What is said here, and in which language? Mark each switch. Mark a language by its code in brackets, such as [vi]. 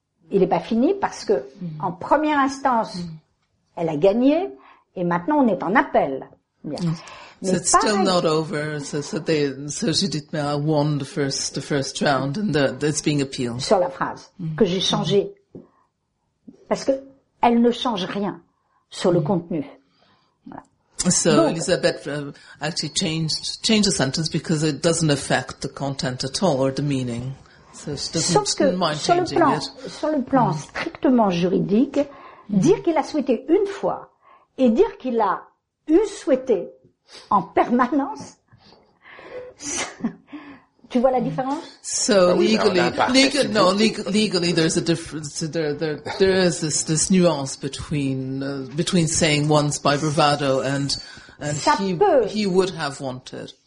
[fr] Il est pas fini parce que en première instance elle a gagné et maintenant on est en appel. Bien. [en] So it's still not over. So Judith Miller won the first round, and it's being appealed. [fr] Sur la phrase que j'ai changée, parce que elle ne change rien sur le contenu. Voilà. [en] So donc, Elisabeth actually changed the sentence because it doesn't affect the content at all or the meaning. So she doesn't mind changing it. [fr] Sur le plan, strictement juridique, dire qu'il a souhaité une fois et dire qu'il a eu souhaité en permanence, tu vois la différence? [en] So legally, there's a difference. There is this nuance between saying once by bravado and he would have wanted.